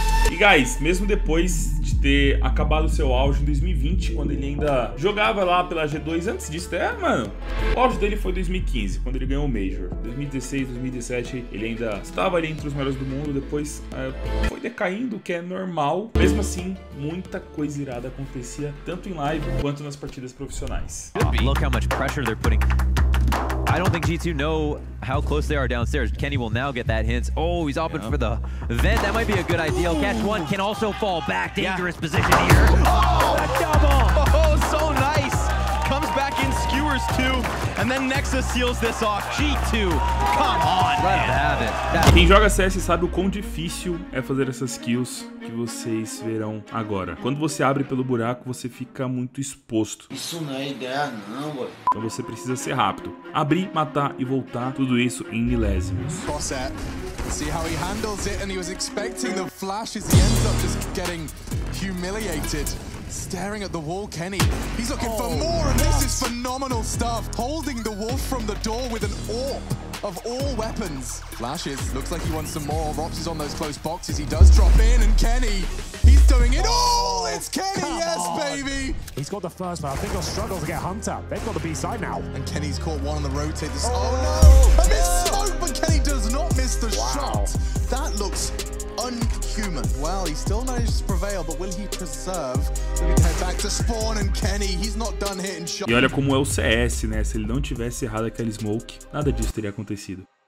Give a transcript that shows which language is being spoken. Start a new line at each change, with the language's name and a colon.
Portuguese: E guys, mesmo depois de ter acabado seu auge em 2020, quando ele ainda jogava lá pela G2, antes disso, até, mano, o auge dele foi 2015, quando ele ganhou o Major. 2016, 2017, ele ainda estava ali entre os melhores do mundo, depois foi decaindo, o que é normal. Mesmo assim, muita coisa irada acontecia, tanto em live quanto nas partidas profissionais.
English: Look how much pressure they're putting. I don't think G2 know how close they are downstairs. Kenny will now get that hint. Oh, he's open for the vent. That might be a good idea. Ooh. Catch one can also fall back. Dangerous position here. Oh, the double. Oh, so nice. Comes back in, skewers two. And then Nexus seals this off. G2, come on. Let him have it.
Portuguese: Quem joga CS sabe o quão difícil é fazer essas kills que vocês verão agora. Quando você abre pelo buraco, você fica muito exposto. Isso não é ideia não, boy. Então você precisa ser rápido. Abrir, matar e voltar, tudo isso em milésimos.
English: See how he handles it, and he was expecting the flash as he ends up just getting humiliated. Staring at the wall, Kenny. He's looking for more, and this is phenomenal stuff. Holding the wolf from the door with an AWP. Of all weapons. Flashes, looks like he wants some more. Rops is on those close boxes. He does drop in, and Kenny, he's doing it all! It's Kenny, yes, baby! He's got the first, but I think he'll struggle to get Hunter. They've got the B side now. And Kenny's caught one on the rotate. No! A missed smoke, but Kenny does not miss the shot. That looks unhuman. Well, he still manages to prevail, but will he preserve? Head back to spawn and Kenny, he's not done hitting shot.
Portuguese: E olha como é o CS, né? Se ele não tivesse errado aquele smoke, nada disso teria acontecido.